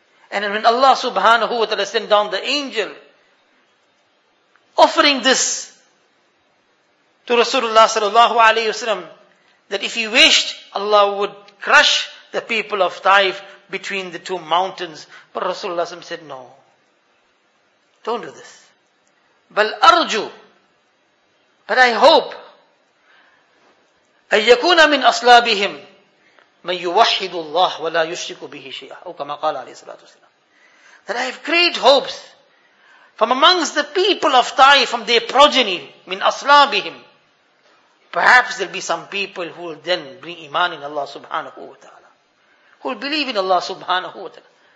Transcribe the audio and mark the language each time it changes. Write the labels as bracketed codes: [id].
[en] And when Allah subhanahu wa ta'ala sent down the angel offering this to Rasulullah sallallahu alayhi wa sallam, that if he wished, Allah would crush the people of Taif between the two mountains. But Rasulullah sallam said, no, don't do this. [ar] Bal arju, [en] but I hope, [ar] أَيَّكُونَ مِنْ أَصْلَابِهِمْ مَنْ يُوَحِّدُ اللَّهُ وَلَا يُشْرِكُ بِهِ شَيْئًا أو كما قال عليه الصلاة والسلام. [en] That I have great hopes from amongst the people of Taif, from their progeny, [ar] مِنْ أَصْلَابِهِمْ, [en] perhaps there'll be some people who will then bring iman in Allah subhanahu wa ta'ala, who will believe in Allah subhanahu wa ta'ala.